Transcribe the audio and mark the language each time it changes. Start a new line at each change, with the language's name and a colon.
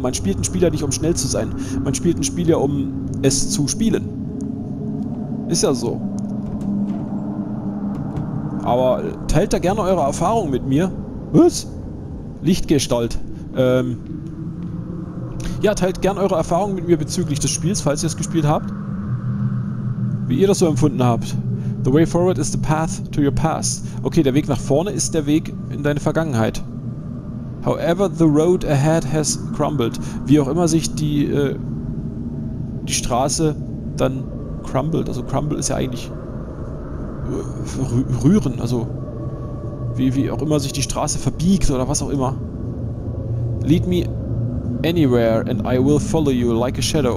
German: Man spielt ein Spiel ja nicht, um schnell zu sein. Man spielt ein Spiel ja, um es zu spielen. Ist ja so. Aber teilt da gerne eure Erfahrungen mit mir. Was? Lichtgestalt. Ja, teilt gerne eure Erfahrungen mit mir bezüglich des Spiels, falls ihr es gespielt habt. Wie ihr das so empfunden habt.
English: The way forward is the path to your past.
German: Okay, der Weg nach vorne ist der Weg in deine Vergangenheit.
English: However the road ahead has crumbled.
German: Wie auch immer sich die Straße dann crumbled. Also crumble ist ja eigentlich rühren. Also wie auch immer sich die Straße verbiegt oder was auch immer.
English: Lead me anywhere and I will follow you like a shadow.